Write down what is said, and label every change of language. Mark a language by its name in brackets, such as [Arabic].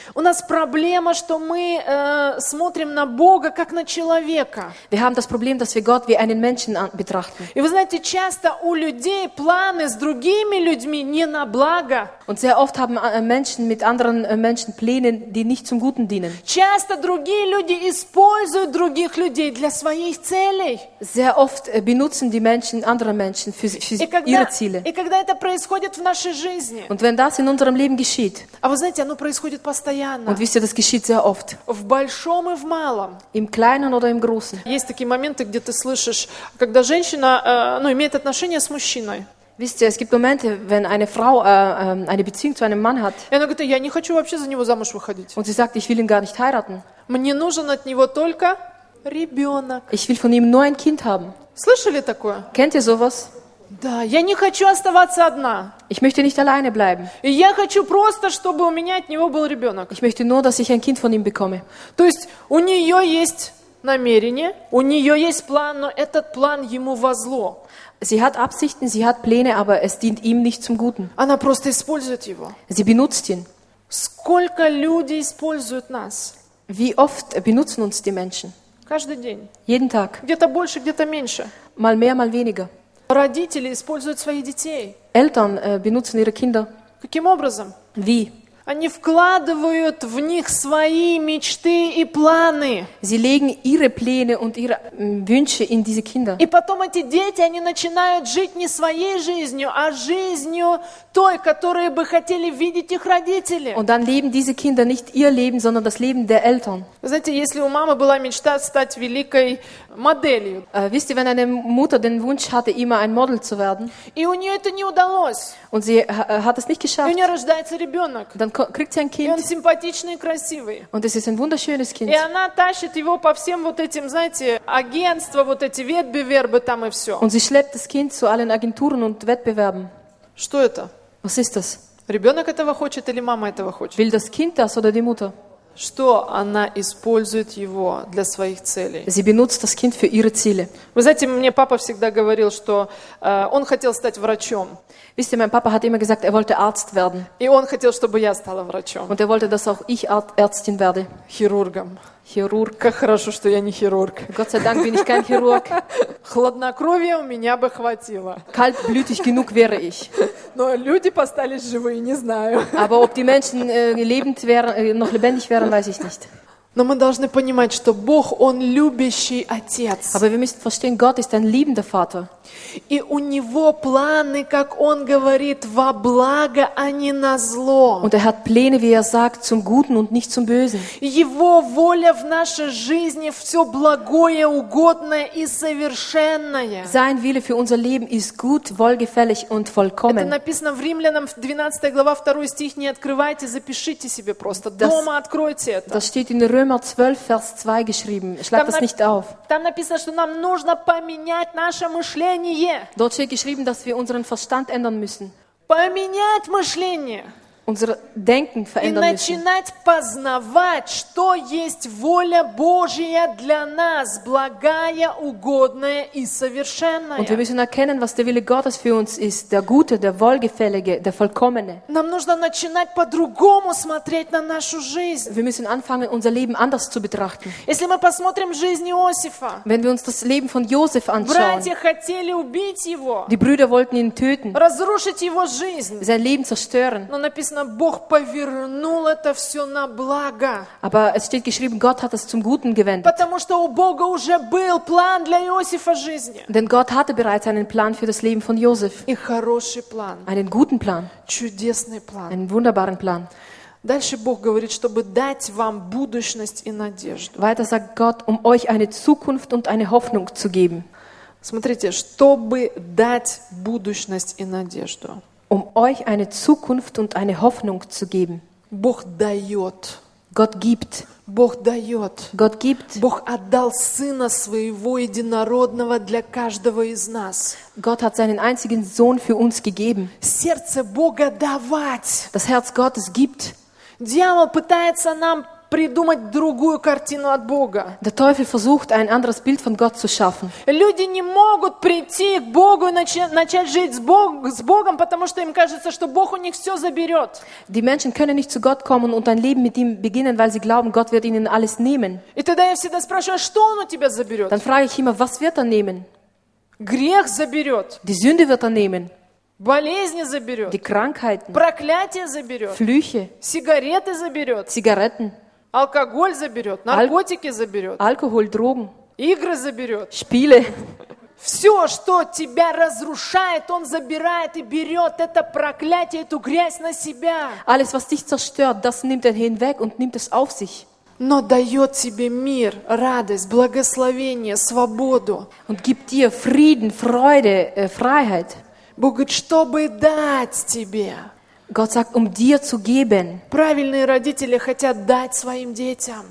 [Russian] У нас проблема, что мы смотрим на Бога как на человека. [German] Wir haben das Problem, dass wir Gott wie einen Menschen betrachten. [Russian] И вы знаете, часто у людей планы с другими людьми не на благо. [German] Und sehr oft haben Menschen mit anderen Menschen Pläne, die nicht zum Guten dienen. [Russian] Часто другие люди используют других людей для своих целей. [German] Sehr oft benutzen die Menschen andere Menschen ihre Ziele. [Russian] И когда это происходит в нашей жизни? [German] Und wenn das in unserem Leben geschieht? [Russian] А вы знаете, оно происходит постоянно. [German] Und wisst ihr, das geschieht sehr oft. [Russian] В большом и в малом. [German] Im Kleinen oder im Großen. [Russian] Есть такие моменты, где ты слышишь, когда женщина, имеет отношения с мужчиной. [German] Wisst ihr, es gibt Momente, wenn eine Frau eine Beziehung zu einem Mann hat. [Russian] И она говорит, я не хочу вообще за него замуж выходить. [German] Und sie sagt, ich will ihn gar nicht heiraten. [Russian] Мне нужен от него только ребенок. [German] Ich will von ihm nur ein Kind haben. [Russian] Слышали такое? [German] Kennt ihr sowas? [Russian] Да, я не хочу оставаться одна. [German] Ich möchte nicht alleine bleiben. [Russian] Я хочу просто, чтобы у меня от него был ребенок. [German] Ich möchte nur, dass ich ein Kind von ihm bekomme. [Russian] То есть у нее есть намерение, у нее есть план, но этот план ему во зло. [German] Sie hat Absichten, sie hat Pläne, aber es dient ihm nicht zum Guten. [Russian] Она просто использует его. [German] Sie benutzt ihn. [Russian] Сколько люди используют нас? [German] Wie oft benutzen uns die Menschen? [Russian] Каждый день. [German] Jeden Tag. [Russian] Где-то больше, где-то меньше. [German] Mal mehr, mal weniger. [Russian] Родители используют своих детей. [German] Eltern benutzen ihre Kinder. [Russian] Каким образом? [German] Wie? [Russian] Они вкладывают в них свои мечты и планы. [German] Sie legen ihre Pläne und ihre Wünsche in diese Kinder. [Russian] И потом эти дети, они начинают жить не своей жизнью, а жизнью той, которую бы хотели видеть их родители. [German] Und dann leben diese Kinder nicht ihr Leben, sondern das Leben der Eltern. [Russian] Знаете, если у мамы была мечта стать великой моделью. [German] Wisst ihr, wenn eine Mutter den Wunsch hatte, immer ein Model zu werden. [Russian] И у нее это не удалось. [German] Und sie hat es nicht geschafft. [Russian] И у нее рождается ребенок. [German] Dann kriegt sie ein Kind. [Russian] И он симпатичный и красивый. [German] Und es ist ein wunderschönes Kind. [Russian] И она тащит его по всем вот этим, знаете, агентства, вот эти Wettbewerbe там и все. [German] Und sie schleppt das Kind zu allen Agenturen und Wettbewerben. [Russian] Что это? [German] Was ist das? [Russian] Ребенок этого хочет или мама этого хочет? [German] Will das Kind das oder die Mutter? [Russian] Что она использует его для своих целей? [German] Sie benutzt das Kind für ihre Ziele. [Russian] Вы знаете, мне папа всегда говорил, что он хотел стать врачом. [German] Wisst ihr, mein Papa hat immer gesagt, er wollte Arzt werden. [Russian] И он хотел, чтобы я стала врачом. [German] Und er wollte, dass auch ich Ärztin werde. [Russian] Хирургом. [German] Хирург. [Russian] Как хорошо, что я не хирург. [German] Gott sei Dank bin ich kein Chirurg. [Russian] Хладнокровия у меня бы хватило. [German] Kaltblütig genug wäre ich. [Russian] Но люди остались живые, не знаю. [German] Aber ob die Menschen lebend wären, noch lebendig wären, weiß ich nicht. [Russian] Но мы должны понимать, что Бог, Он любящий Отец. [German] Aber wir müssen verstehen, Gott ist ein liebender Vater. [Russian] И у Него планы, как Он говорит, во благо, а не на зло. [German] Und er hat Pläne, wie er sagt, zum Guten und nicht zum Bösen. [Russian] Его воля в нашей жизни все благое, угодное и совершенное. [German] Sein Wille für unser Leben ist gut, wohlgefällig und vollkommen. [Russian] Это написано в Римлянам, 12 глава, 2 стих, не открывайте, запишите себе просто, дома откройте это. [German] Das steht in Römer 12, Vers 2 geschrieben. Schlag das nicht auf. [Russian] Там написано, что нам нужно поменять наше мышление. [German] Dort steht geschrieben, dass wir unseren Verstand ändern müssen. [Russian] Поменять мышление. [German] Unser Denken verändern müssen. [Russian] И начинать познавать, что есть воля Божия для нас, благая, угодная и совершенная. [German] Und wir müssen erkennen, was der Wille Gottes für uns ist, der Gute, der Wohlgefällige, der Vollkommene. [Russian] Нам нужно начинать по-другому смотреть на нашу жизнь. [German] Wir müssen anfangen, unser Leben anders zu betrachten. [Russian] Если мы посмотрим жизнь Иосифа, [German] wenn wir uns das Leben von Josef anschauen, [Russian] братья хотели убить его, [German] die Brüder wollten ihn töten, [Russian] разрушить его жизнь, [German] sein Leben zerstören. [Russian] Написано, Бог повернул это все на благо. [German] Aber es steht geschrieben, Gott hat es zum Guten gewendet. [Russian] Потому что у Бога уже был план для Иосифа жизни. [German] Denn Gott hatte bereits einen Plan für das Leben von Josef. [Russian] И хороший план. [German] Einen guten Plan. [Russian] Чудесный план. [German] Einen wunderbaren Plan. [Russian] Дальше Бог говорит, чтобы дать вам будущность и надежду. [German] Weiter sagt Gott, euch eine Zukunft und eine Hoffnung zu geben. [Russian] Смотрите, чтобы дать будущность и надежду. [German] Euch eine Zukunft und eine Hoffnung zu geben. [Russian] Бог дает. [German] Gott gibt. [Russian] Бог дает. [German] Gott gibt. [Russian] Бог отдал Сына Своего Единородного для каждого из нас. [German] Gott hat seinen einzigen Sohn für uns gegeben. [Russian] Сердце Бога давать. [German] Das Herz Gottes gibt. [Russian] Дьявол пытается нам придумать другую картину от Бога. [German] Der Teufel versucht ein anderes Bild von Gott zu schaffen. [Russian] Люди не могут прийти к Богу и начать жить с Богом, потому что им кажется, что Бог у них все заберет. [German] Die Menschen können nicht zu Gott kommen und ein Leben mit ihm beginnen, weil sie glauben, Gott wird ihnen alles nehmen. [Russian] И тогда я всегда спрашиваю, что он у тебя заберет? [German] Dann frage ich immer, was wird er nehmen? [Russian] Грех заберет. [German] Die Sünde wird er nehmen. [Russian] Болезни заберет. [German] Die Krankheiten. [Russian] Проклятие заберет. [German] Flüche. [Russian] Сигареты заберет. [German] Zigaretten. [Russian] Алкоголь заберет. Наркотики заберет. [German] Алкоголь, Drogen. [Russian] Игры заберет. [German] Spiele. [Russian] Все, что тебя разрушает, он забирает и берет это проклятие, эту грязь на себя. [German] Alles, was dich zerstört, das nimmt er hinweg und nimmt es auf sich. [Russian] Но дает тебе мир, радость, благословение, свободу. [German] Und gibt dir Frieden, Freude, Freiheit. [Russian] Бог говорит, чтобы дать тебе. [German] Gott sagt, dir zu geben. [Russian] Правильные родители хотят дать своим детям.